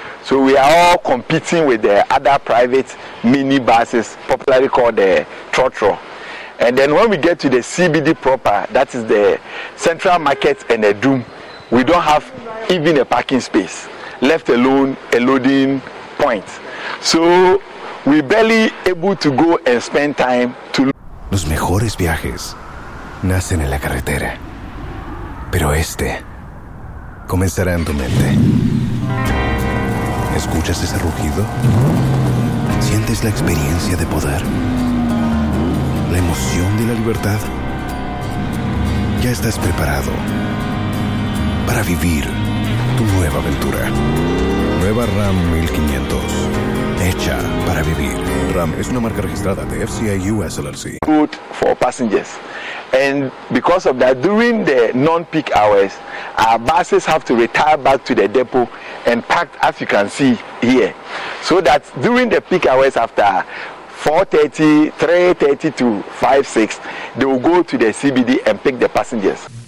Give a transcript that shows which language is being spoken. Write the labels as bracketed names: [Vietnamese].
[English] So we are all competing with the other private mini buses, popularly called the Trotro. And then when we get to the CBD proper, that is the Central Market and Edum, we don't have even a parking space, left alone a loading point. So we barely able to go and spend time to. [Spanish] Los mejores viajes nacen en la carretera, pero este comenzará en tu mente. ¿Escuchas ese rugido? ¿Sientes la experiencia de poder? ¿La emoción de la libertad? Ya estás preparado para vivir tu nueva aventura. Nueva Ram 1500. Hecha para vivir. Ram es una marca registrada de FCA US LLC. [English] Good for passengers. And because of that, during the non-peak hours, our buses have to retire back to the depot and packed, as you can see here. So that during the peak hours after 4:30, 3:30 to 5, 6, they will go to the CBD and pick the passengers.